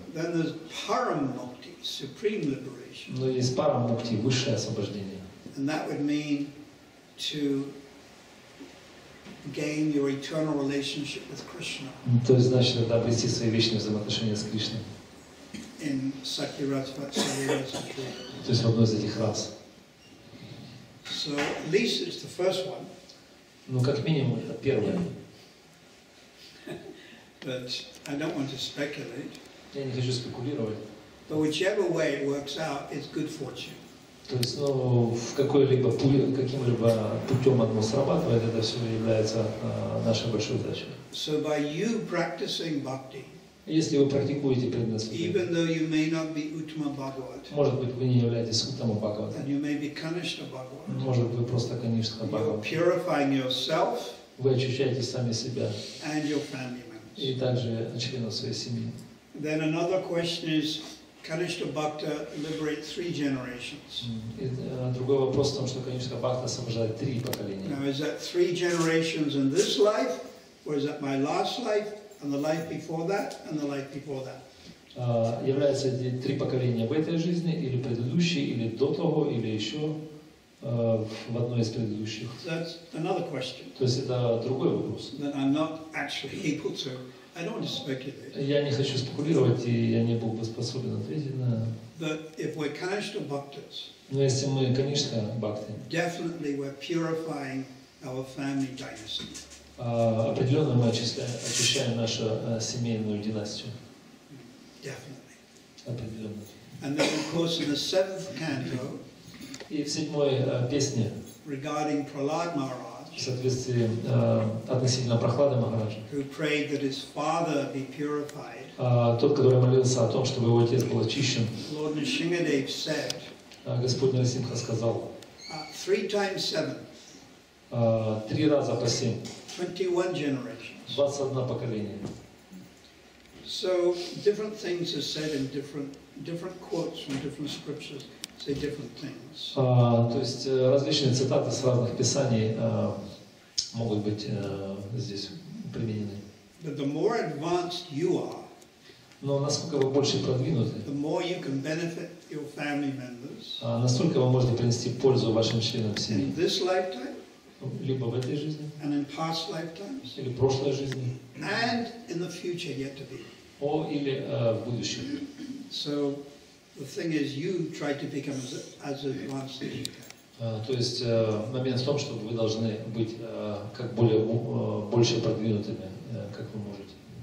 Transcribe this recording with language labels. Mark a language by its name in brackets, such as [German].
[English] Then there's paramukti, supreme liberation. [Russian] Но есть парамукти, высшее освобождение. [English] And that would mean to gain your eternal relationship with Krishna. [Russian] То есть значит это обрести свои вечные взаимоотношения с Кришной. [English] In Сакхи-раса-ватсалья-раса-чура. [Russian] То есть в одной из этих рас. [English] So at least it's the first one. [Russian] Ну как минимум это первое. [English] But I don't want to speculate. [Russian] Я не хочу спекулировать. [English] But whichever way it works out, it's good fortune. [Russian] То есть, ну, в какой-либо путь, каким-либо путем оно срабатывает, это все является нашей большой удачей. [English] So by you practicing bhakti, [Russian] если вы практикуете преданность, [English] even though you may not be Uttama Bhagavat, [Russian] может быть, вы не являетесь Уттама Бхагават, [English] and you may be Kanishtha Bhagavat, [Russian] может быть, вы просто Каништха Бхагават, [English] you're purifying yourself, [Russian] вы очищаете сами себя, [English] and your family members, [Russian] и также членов своей семьи. [English] Then another question is, Kanishtha Bhakta liberates three generations. [Russian] Другой вопрос в том, что Kanishtha Bhakta освобождает три поколения. [English] Now is that three generations in this life, or is that my last life, and the life before that, and the life before that? [Russian] Является ли три поколения в этой жизни, или предыдущие, или до того, или еще? в одной из предыдущих. [English] That's another question. [Russian] То есть это другой вопрос. [English] That I'm not actually able to. I don't want to speculate. [Russian] Я не хочу спекулировать, и я не был бы способен ответить на. [English] But if we're Kanishka Bhaktas. [Russian] Но если мы Kanishka Bhakti. [English] Definitely, we're purifying our family dynasty. [Russian] Определенно мы очищаем нашу семейную династию. [English] Definitely. [Russian] Определенно. [English] And then, of course, in the seventh canto. [Russian] И в седьмой песне. [English] Regarding Prahlad Maharaj. [Russian] В соответствии относительно Прахлады Махараджа. [English] Who prayed that his father be purified. [Russian] Тот, который молился о том, чтобы его отец был очищен. [English] Lord Nrisimhadev said. [Russian] Господь Нарасимха сказал. [English] Three times seven. [Russian] Три раза по семь. [English] 21 generations. [Russian] 21 поколение. [English] So different things are said in different quotes from different scriptures say different things. [Russian] То есть различные цитаты с разных писаний могут быть здесь применены. [English] But the more advanced you are, [Russian] но насколько вы больше продвинуты, [English] the more you can benefit your family members. [Russian] Настолько вы можете принести пользу вашим членам семьи. [English] In this lifetime. [Russian] Либо в этой жизни, [English] and in past lifetimes, [Russian] или в прошлой жизни, [English] and in the future yet to be. [Russian] О, или в будущем. [English] So the thing is, you try to become as advanced as you can. [Russian] То есть момент в том, что вы должны быть как более больше продвинутыми, как вы можете.